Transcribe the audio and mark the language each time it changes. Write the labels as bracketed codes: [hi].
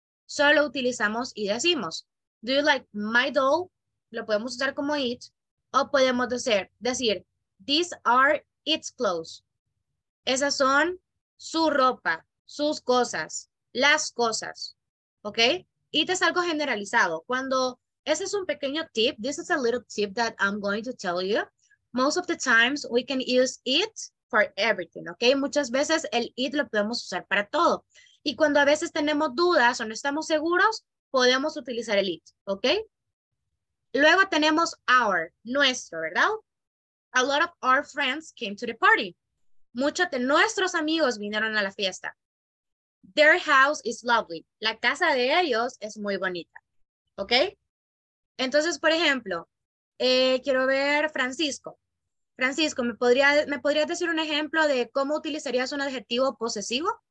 [es] Solo utilizamos y decimos, [en] do you like my doll? [es] Lo podemos usar como it. O podemos decir, [en] these are its clothes. [es] Esas son su ropa, sus cosas, las cosas. ¿Ok? It es algo generalizado. Cuando, ese es un pequeño tip, [en] this is a little tip that I'm going to tell you. Most of the times we can use it for everything, ¿ok? [es] Muchas veces el it lo podemos usar para todo. Y cuando a veces tenemos dudas o no estamos seguros, podemos utilizar el it, ¿ok? Luego tenemos our, nuestro, ¿verdad? [en] A lot of our friends came to the party. [es] Muchos de nuestros amigos vinieron a la fiesta. [en] Their house is lovely. [es] La casa de ellos es muy bonita, ¿ok? Entonces, por ejemplo, quiero ver Francisco. Francisco, ¿me podrías decir un ejemplo de cómo utilizarías un adjetivo posesivo?